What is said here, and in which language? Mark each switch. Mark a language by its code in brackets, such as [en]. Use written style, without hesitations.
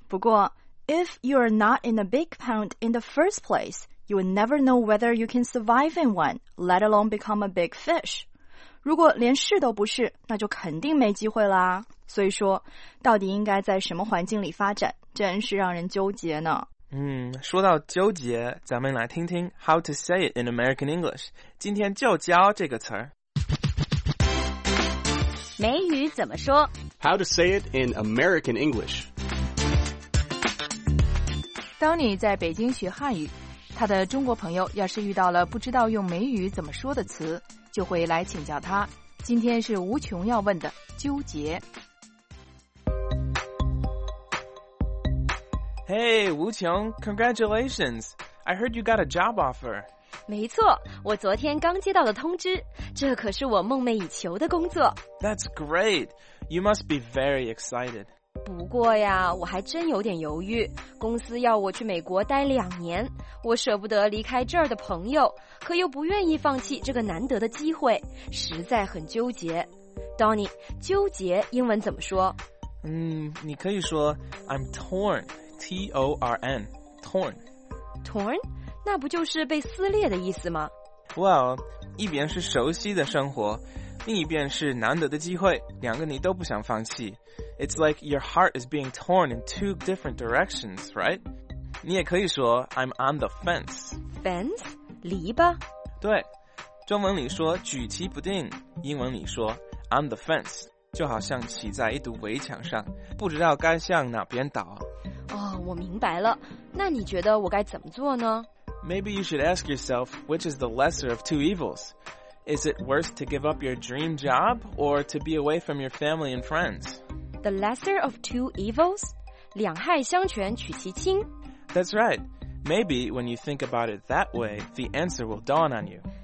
[en] 不过 if you're not in a big pond in the first place, you will never know whether you can survive in one, let alone become a big fish。 [zh] 如果连试都不是，那就肯定没机会啦。所以说，到底应该在什么环境里发展，真是让人纠结呢。嗯，说到纠结，咱们来听听 [en] How to say it in American English。 [zh] 今天就教这个词儿。美语怎么说 [en] ？How to say it in American English。 [zh] 当你在北京学汉语，他的中国朋友要是遇到了不知道用美语怎么说的词，就会来请教他。今天是无穷要问的纠结。 [en] Hey, 无穷, congratulations. I heard you got a job offer. [zh] 没错，我昨天刚接到了通知，这可是我梦寐以求的工作。 [en] That's great. You must be very excited. [zh] 不过呀，我还真有点犹豫。公司要我去美国待2年，我舍不得离开这儿的朋友，可又不愿意放弃这个难得的机会，实在很纠结。 Donnie, 纠结英文怎么说？你可以说 [en] I'm torn, T-O-R-N, torn. Torn? [zh] 那不就是被撕裂的意思吗？ Well, 一边是熟悉的生活，另一边是难得的机会，两个你都不想放弃。 [en] It's like your heart is being torn in two different directions, right? [zh] 你也可以说 [en] I'm on the fence. [zh] Fence? 篱笆？对，中文里说举棋不定，英文里说 on the fence。就好像骑在一堵围墙上，不知道该向哪边倒。哦，我明白了。那你觉得我该怎么做呢？ [en] Maybe you should ask yourself which is the lesser of two evils. Is it worse to give up your dream job or to be away from your family and friends? The lesser of two evils? [zh] 两害相权取其轻。 [en] That's right. Maybe when you think about it that way, the answer will dawn on you.